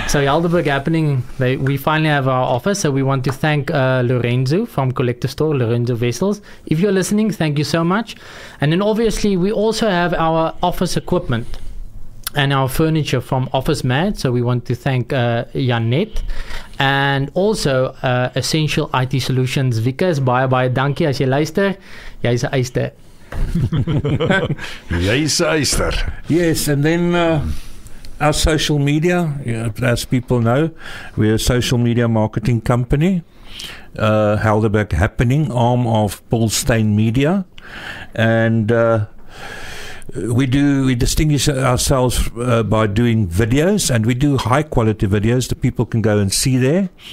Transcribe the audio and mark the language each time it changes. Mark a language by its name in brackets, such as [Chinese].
[English] So Helderberg happening, we finally have our office, so we want to thank Lorenzo from Collector Store, Lorenzo Vessels. If you're listening, thank you so much. And then obviously we also have our office equipment and our furniture from Office Mad, so we want to thank Janette. And also Essential IT Solutions. [Afrikaans] Vikas, baie, baie dankie. As jy luister, jy is 'n eister. Jy is 'n eister. [English] Yes, and then our social media, as people know, we're a social media marketing company. Helderberg Happening, arm of Paul Stein Media. And we distinguish ourselves by doing videos, and we do high quality videos that people can go and see there.